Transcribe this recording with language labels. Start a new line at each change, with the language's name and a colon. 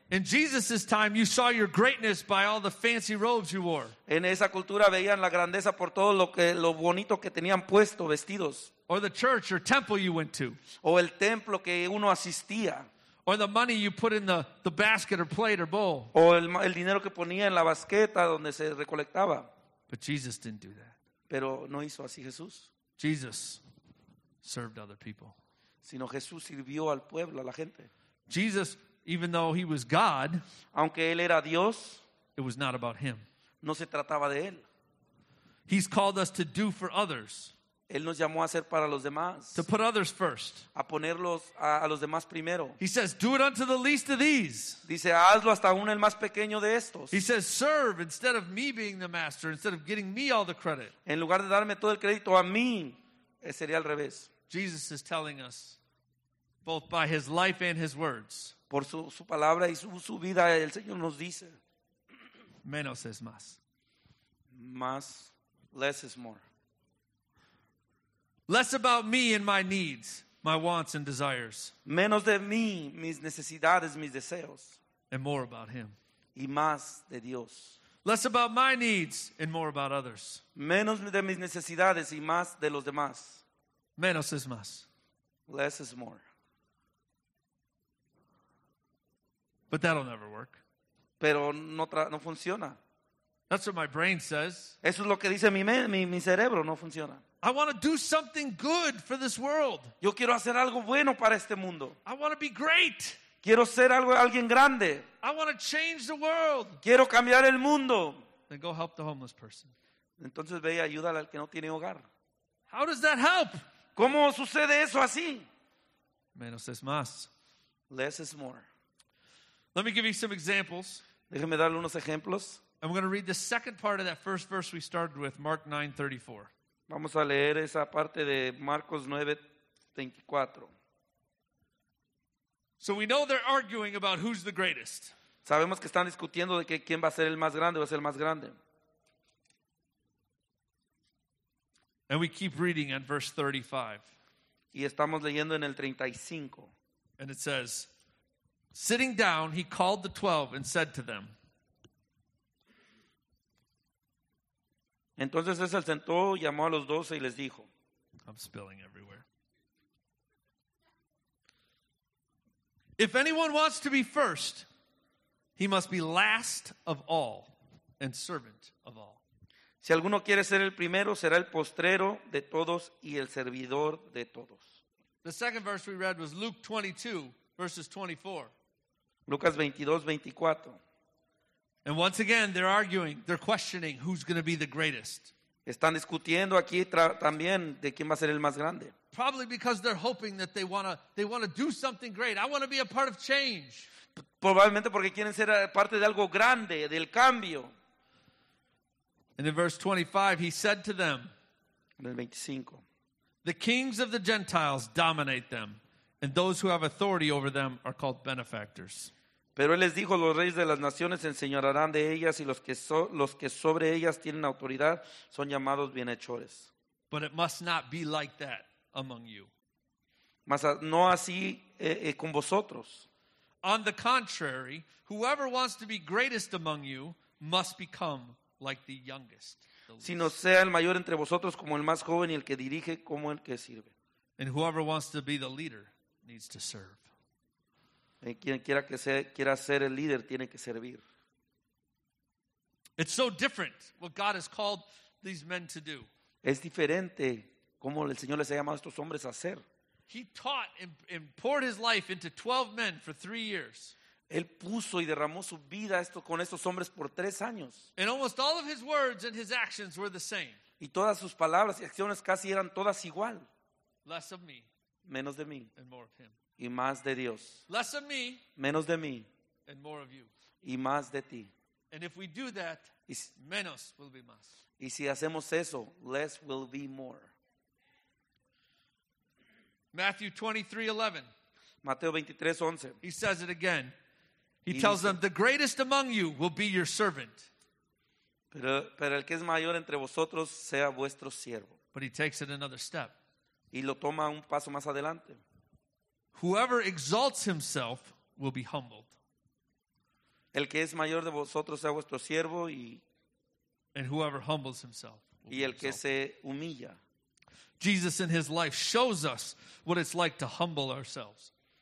English: In Jesus's time, you saw your greatness by all the fancy robes you wore.
Spanish: En esa cultura veían la grandeza por todo lo bonito que tenían puesto, vestidos.
English: Or the church or temple you went to.
Spanish: O el templo que uno asistía.
English: Or the money you put in the basket or plate or bowl.
Spanish: O el dinero que ponía en la basqueta donde se recolectaba.
English: But Jesus didn't do that.
Spanish: Pero no hizo así Jesús.
English: Jesus served other people.
Spanish: Sino Jesús sirvió al pueblo, a la gente.
English: Jesus, even though he was God,
Spanish: aunque él era Dios,
English: it was not about him.
Spanish: No se trataba de él.
English: He's called us to do for others.
Spanish: Él nos llamó a hacer para los demás.
English: To put others first.
Spanish: A ponerlos a los demás primero.
English: He says, do it unto the least of these.
Spanish: Dice, hazlo hasta aún el más pequeño de estos.
English: He says, serve instead of me being the master, instead of getting me all the credit.
Spanish: En lugar de darme todo el crédito a mí, sería al revés.
English: Jesus is telling us, both by his life and his words.
Spanish: Por su palabra y su vida, el Señor nos dice. Menos es más. Más,
English: less is more. Less about me and my needs, my wants and desires.
Spanish: Menos de mí, mis necesidades, mis deseos.
English: And more about him.
Spanish: Y más de Dios.
English: Less about my needs and more about others.
Spanish: Menos de mis necesidades y más de los demás. Menos es más.
English: Less is more. But that'll never work.
Spanish: Pero no funciona.
English: That's what my brain says.
Spanish: Eso es lo que dice mi cerebro, no funciona.
English: I want to do something good for this world.
Spanish: Yo quiero hacer algo bueno para este mundo.
English: I want to be great.
Spanish: Quiero ser alguien grande.
English: I want to change the world.
Spanish: Quiero cambiar el mundo.
English: Then go help the homeless person.
Spanish: Entonces ve y ayuda al que no tiene hogar.
English: How does that help?
Spanish: ¿Cómo sucede eso así? Menos es más.
English: Less is more. Let me give you some examples.
Spanish: Déjeme darle unos ejemplos.
English: I'm going to read the second part of that first verse we started with, Mark 9:34.
Spanish: Vamos a leer esa parte de Marcos 9:24.
English: So we know they're arguing about who's the greatest.
Spanish: Sabemos que están discutiendo de que quién va a ser el más grande, va a ser el más grande.
English: And we keep reading at verse 35.
Spanish: Y estamos leyendo en el 35.
English: And it says, sitting down, he called the 12 and said to them.
Spanish: Entonces él se sentó, llamó a los doce y les dijo.
English: I'm spilling everywhere. If anyone wants to be first, he must be last of all and servant of all.
Spanish: Si alguno quiere ser el primero, será el postrero de todos y el servidor de todos.
English: The second verse we read was Luke 22, verses 24.
Spanish: Lucas 22, 24.
English: And once again, they're arguing, they're questioning who's going to be the greatest.
Spanish: Están discutiendo aquí también de quién va a ser el más grande.
English: Probably because they're hoping that they want to do something great. I want to be a part of change.
Spanish: Probablemente porque quieren ser parte de algo grande, del cambio.
English: And in verse 25, he said to them,
Spanish: en el 25,
English: the kings of the Gentiles dominate them, and those who have authority over them are called benefactors.
Spanish: Pero él les dijo, los reyes de las naciones se enseñorearán de ellas y los que sobre ellas tienen autoridad son llamados bienhechores.
English: But it must not be like that among you.
Spanish: Mas no así con vosotros.
English: On the contrary, whoever wants to be greatest among you must become like the youngest.
Spanish: Sino sea el mayor entre vosotros como el más joven y el que dirige como el que sirve.
English: And whoever wants to be the leader needs to serve.
Spanish: Quien quiera que sea, quiera ser el líder, tiene que servir.
English: It's so different what God has called these men to do.
Spanish: Es diferente cómo el Señor les ha llamado a estos hombres a hacer.
English: He taught and poured his life into 12 men for 3 years.
Spanish: Él puso y derramó su vida con estos hombres por 3 años.
English: And almost all of his words and his actions were the same.
Spanish: Y todas sus palabras y acciones casi eran todas igual.
English: Less of me.
Spanish: Menos de mí.
English: And more of him.
Spanish: Y más de Dios.
English: Less of me.
Spanish: Menos de mí.
English: And more of you.
Spanish: Y más de ti.
English: And if we do that,
Spanish: menos
English: will be
Spanish: más. Y si hacemos eso,
English: less will be more. Matthew 23:11.
Spanish: Mateo 23:11.
English: He says it again. He tells them, "The greatest among you will be your servant."
Spanish: Pero el que es mayor entre vosotros sea vuestro siervo.
English: But he takes it another step.
Spanish: Y lo toma un paso más adelante.
English: Whoever exalts himself will be humbled.
Spanish: El que es mayor de vosotros sea vuestro siervo y.
English: And whoever humbles himself.
Spanish: Y el que se humilla.
English: Jesus in his life shows us what it's like to humble ourselves.